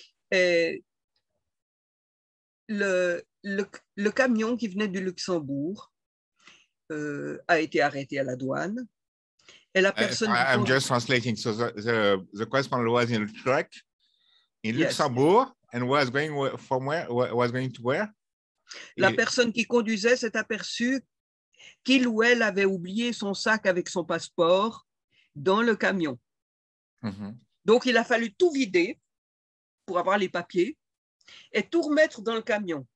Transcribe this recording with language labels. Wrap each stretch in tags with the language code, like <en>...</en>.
<fr>Et le camion qui venait du Luxembourg a été arrêté à la douane. Et la personne.</fr> <en>I'm just translating. So the correspondent was in a truck in Luxembourg, yes. And was going from where? Was going to where?</en> <fr>La personne qui conduisait s'est aperçue qu'il ou elle avait oublié son sac avec son passeport dans le camion. Mm-hmm. Donc, il a fallu tout vider pour avoir les papiers et tout remettre dans le camion.</fr>